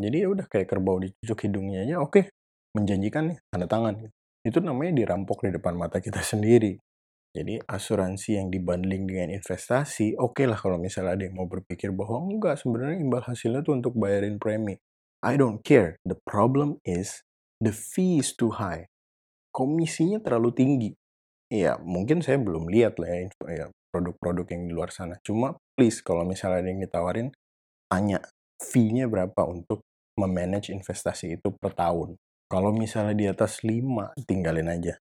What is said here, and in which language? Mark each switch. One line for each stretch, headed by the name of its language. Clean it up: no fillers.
Indonesian: Jadi ya udah kayak kerbau dicucuk hidungnya aja, oke, menjanjikan nih, tanda tangan. Itu namanya dirampok di depan mata kita sendiri. Jadi asuransi yang dibanding dengan investasi, oke lah kalau misalnya ada yang mau berpikir bahwa enggak, sebenarnya imbal hasilnya tuh untuk bayarin premi.
English: I don't care. The problem is the fee is too high.
Indonesian: Komisinya terlalu tinggi. Ya, mungkin saya belum lihat lah ya produk-produk yang di luar sana. Cuma please kalau misalnya ada yang ditawarin, tanya fee-nya berapa untuk memanage investasi itu per tahun. Kalau misalnya di atas 5, tinggalin aja.